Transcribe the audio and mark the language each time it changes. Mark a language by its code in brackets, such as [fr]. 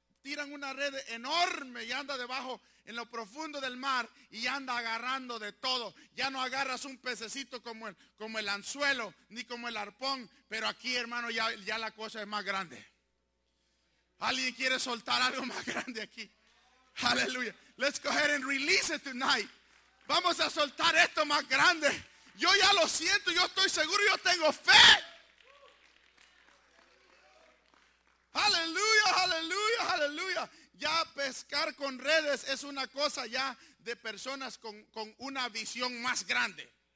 [es] Tiran una red enorme y anda debajo, en lo profundo del mar, y anda agarrando de todo. Ya no agarras un pececito como el anzuelo, ni como el arpón, pero aquí, hermano, ya la cosa es más grande. ¿Alguien quiere soltar algo más grande aquí? Aleluya. [en] Let's go ahead and release it tonight. [es] Vamos a soltar esto más grande. Yo ya lo siento, yo estoy seguro, yo tengo fe. Aleluya, aleluya, aleluya. Ya pescar con redes es una cosa ya de personas con una visión más grande.